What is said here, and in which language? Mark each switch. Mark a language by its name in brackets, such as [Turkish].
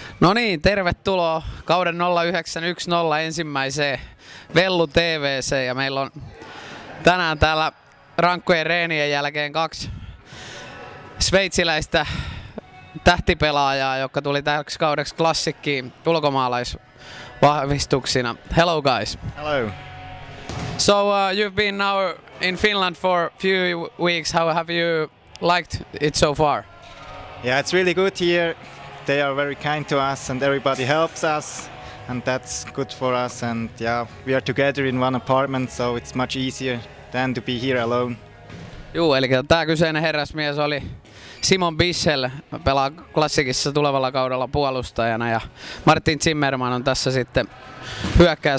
[Finnish] No niin, tervetuloa kauden 0910 ensimmäiseen velluTV:hen ja meillä on tänään täällä rankkojen reenien jälkeen kaksi sveitsiläistä tähtipelaajaa, jotka tuli täksi kaudeksi klassikkiin ulkomaalaisvahvistuksina. [English] Hello guys. Hello. So you've been now in Finland for a few weeks. How have you liked it so far? Yeah, it's really good here. They are very kind to us and everybody helps us and that's good for us and yeah, we are together in one apartment so it's much easier than to be here alone. [Finnish] Joo, eli tämä kyseinen herrasmies oli Simon Bichsel, pelaa klassikissa tulevalla kaudella puolustajana ja Martin Zimmerman on tässä sitten hyökkääjä.